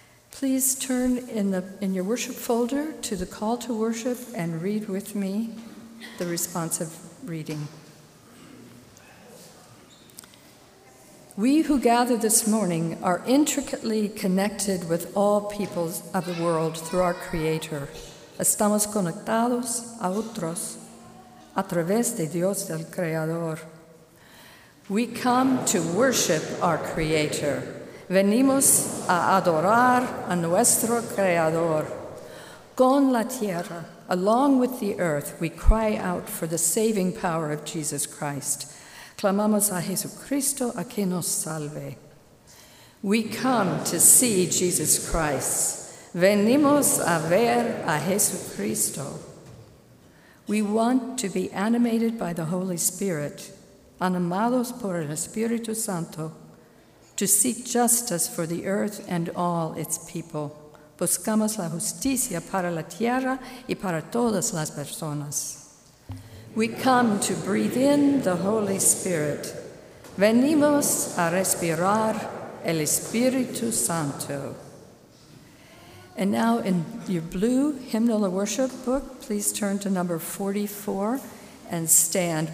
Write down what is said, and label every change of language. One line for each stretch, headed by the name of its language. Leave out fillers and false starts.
English: Please turn in your worship folder to the call to worship and read with me the responsive reading. We who gather this morning are intricately connected with all peoples of the world through our Creator.
Spanish: Estamos conectados a otros a través de Dios el Creador.
English: We come to worship our Creator.
Spanish: Venimos a adorar a nuestro Creador. Con la tierra,
English: along with the earth, we cry out for the saving power of Jesus Christ.
Spanish: Clamamos a Jesucristo a que nos salve.
English: We come to see Jesus Christ.
Spanish: Venimos a ver a Jesucristo.
English: We want to be animated by the Holy Spirit,
Spanish: animados por el Espíritu Santo,
English: to seek justice for the earth and all its people.
Spanish: Buscamos la justicia para la tierra y para todas las personas.
English: We come to breathe in the Holy Spirit.
Spanish: Venimos a respirar el Espíritu Santo.
English: And now in your blue hymnal of worship book, please turn to number 44 and stand.